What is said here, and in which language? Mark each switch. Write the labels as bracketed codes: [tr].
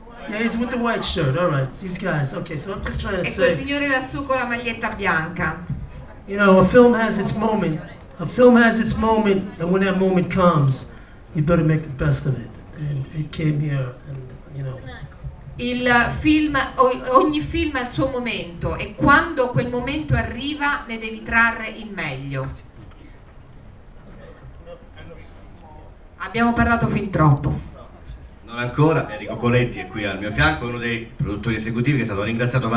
[en] Yeah, he's with the white shirt, all right. These guys, okay, so I'm just trying to say... [it] E quel signore lassù con la maglietta bianca. [en] You know, a film has its moment, and when that moment comes, you better make the best of it. And it came here, and, you know... [it] Il film, ogni film ha il suo momento e quando quel momento arriva ne devi trarre il meglio. Abbiamo parlato fin troppo. Non ancora, Enrico Coletti è qui al mio fianco, uno dei produttori esecutivi che è stato ringraziato.